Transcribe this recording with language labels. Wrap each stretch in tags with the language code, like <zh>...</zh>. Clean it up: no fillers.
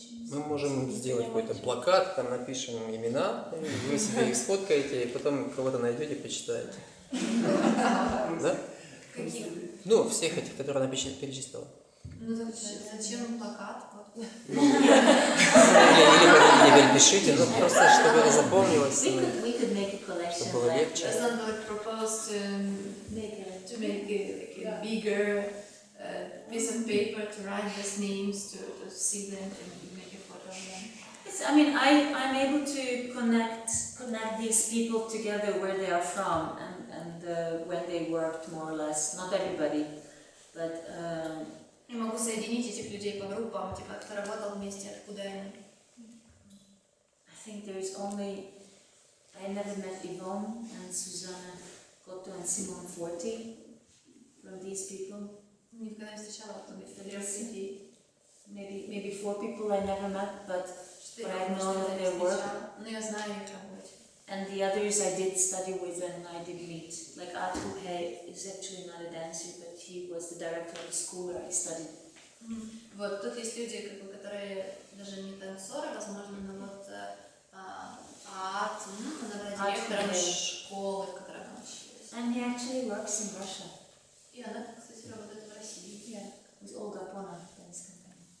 <ru>Мы можем сделать какой-то плакат, там напишем имена, вы себе их сфоткаете, и потом кого-то найдете, почитаете. Да? Каких? Ну, всех этих, которые она перечислила. Ну, зачем плакат? Не перепишите, но просто, чтобы это запомнилось.</ru> <en>We could make a collection.</en> <ru>Чтобы было легче.</ru> <en>It's not like proposed to make like a bigger piece of paper to write these names, to see them and make a photo of them. It's, I mean, I'm able to connect these people together where they are from. When they worked more or less, not everybody, but.</en> <ru>Я могу соединить этих людей по группам, типа кто работал вместе, откуда они.</ru> <en>I think there is only. I never met Yvonne and Susanna Cotto and Simone Forti from these people.</en> <ru>Никогда не встречала там этих людей.</ru> <en>Maybe four people I never met, but I know that they work.</en> <ru>Но я знаю их работу.</ru> <en>And the others I did study with and I did meet. Like PushOK is actually not a dancer, but he was the director of the school where I studied.</en> <ru>Вот тут есть люди, как бы, которые даже не танцоры, возможно, но вот директором школы, которая там училась.</ru> <en>And he actually works in Russia.</en> <ru>И она, кстати, работает в России.</ru> <en>Yeah. With Olga Pona dance company.</en>